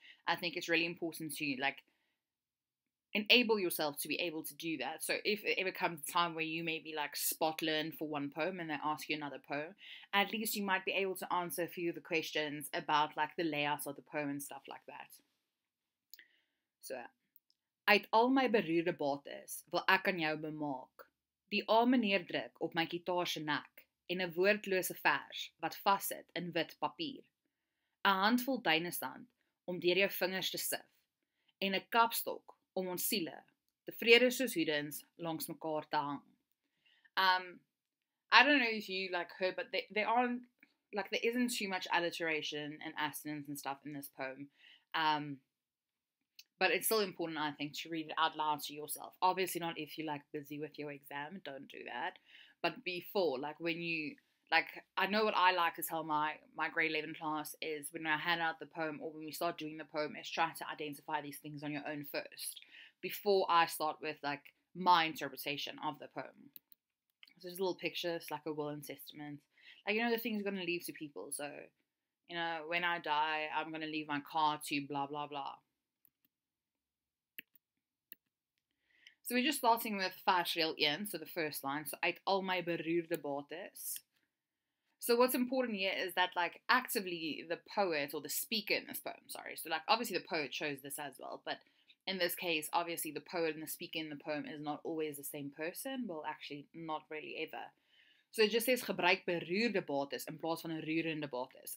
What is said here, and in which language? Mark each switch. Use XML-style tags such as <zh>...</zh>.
<en>I think it's really important to like enable yourself to be able to do that. So if it ever comes a time where you may be like spot learn for one poem and they ask you another poem, at least you might be able to answer a few of the questions about like the layout of the poem and stuff like that.</en> <af>So uit al my beroerde bates wil ek aan jou bemaak die arme neerdruk op my gitaar se nek en 'n woordlose vers wat vaszit in wit papier, 'n handvol duinesand om deur jou vingers te sif en 'n kapstok om ons siele, tevrede soos hoedens, langs mekaar te hang.</af> <en>I don't know if you like heard, but there isn't too much alliteration and assonance and stuff in this poem. But it's still important, I think, to read it out loud to yourself. Obviously not if you're like busy with your exam, don't do that. But before, like when you, like, I know what I like to tell my grade 11 class is when I hand out the poem or when we start doing the poem is try to identify these things on your own first before I start with, like, my interpretation of the poem. So there's a little picture, it's like a will and testament. Like, you know, the things you're going to leave to people. So, you know, when I die, I'm going to leave my car to blah, blah, blah. So we're just starting with Fashreel Ian, so the first line.</en> <af>So uit al my beroerde bates.</af> <en>So what's important here is that, like, actively the poet or the speaker in this poem, sorry. So, like, obviously the poet chose this as well. But in this case, obviously the poet and the speaker in the poem is not always the same person. Well, actually, not really ever. So it just says,</en> <af>gebruik beroerde bates in plaats van 'n roerende bates.</af>